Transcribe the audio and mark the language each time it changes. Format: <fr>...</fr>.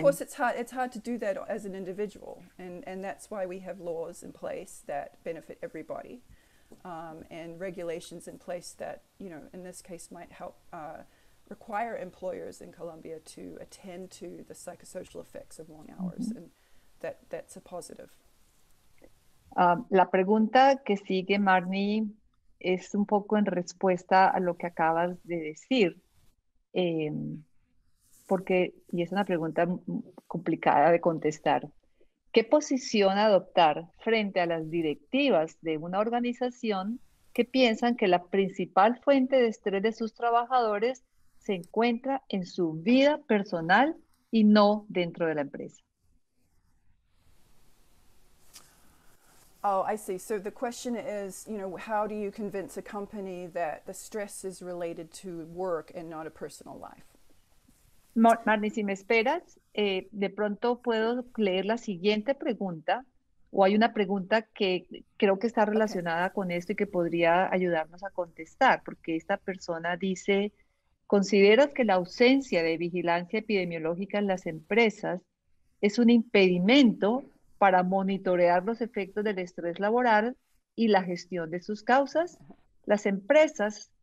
<en>Of course, it's hard to do that as an individual. And that's why we have laws in place that benefit everybody and regulations in place that, in this case might help require employers in Colombia to attend to the psychosocial effects of long hours, mm-hmm. and that's a positive.</en> <es>La pregunta que sigue, Marnie, es un poco en respuesta a lo que acabas de decir, y es una pregunta complicada de contestar. ¿Qué posición adoptar frente a las directivas de una organización que piensan que la principal fuente de estrés de sus trabajadores se encuentra en su vida personal y no dentro de la empresa?</es> <en>Oh, I see. So the question is, how do you convince a company that the stress is related to work and not a personal life?</en> <es>Marnie, si me esperas, de pronto puedo leer la siguiente pregunta, o hay una pregunta que creo que está relacionada con esto y que podría ayudarnos a contestar, porque esta persona dice, ¿consideras que la ausencia de vigilancia epidemiológica en las empresas es un impedimento para monitorear los efectos del estrés laboral y la gestión de sus causas? Las empresas</es>